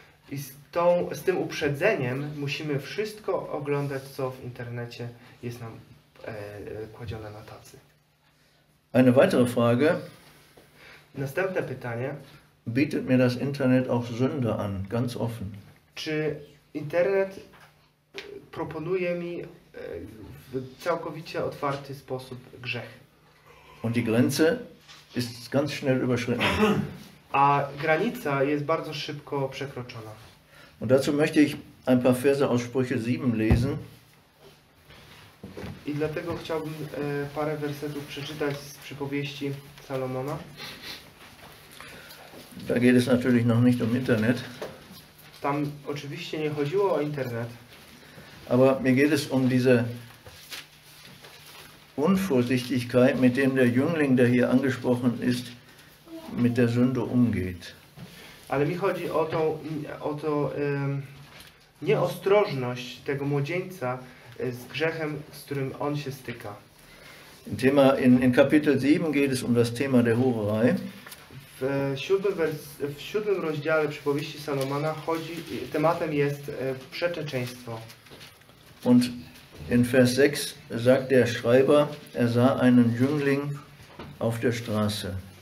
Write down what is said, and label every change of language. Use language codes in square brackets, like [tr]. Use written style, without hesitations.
[pl] I z tym uprzedzeniem musimy wszystko oglądać, co w internecie jest nam kładzione na tacy. [de] Eine weitere Frage. [pl] Następne pytanie. [de] Bietet mir das Internet auch Sünde an, ganz offen? [pl] Czy internet proponuje mi w całkowicie otwarty sposób grzech? [de] Und die Grenze ist ganz schnell überschritten. [pl] A granica jest bardzo szybko przekroczona. [de] Und dazu möchte ich ein paar Verse aus Sprüche 7 lesen. [pl] I dlatego chciałbym parę wersetów przeczytać z przypowieści Salomona. [de] Da geht es natürlich noch nicht um Internet. [pl] Tam oczywiście nie chodziło o Internet. [de] Aber mir geht es um diese Unvorsichtigkeit, mit dem der Jüngling, der hier angesprochen ist, mit der Sünde umgeht. [pl] Ale mi chodzi o to, nieostrożność tego młodzieńca z grzechem, z którym on się styka. [de] In Kapitel 7 geht es um das Thema der Hurerei. [pl] W siódmym rozdziale przypowieści Salomona tematem jest przeczeczeństwo. [de] Und in Vers 6 sagt der Schreiber, er sah einen Jüngling auf der Straße.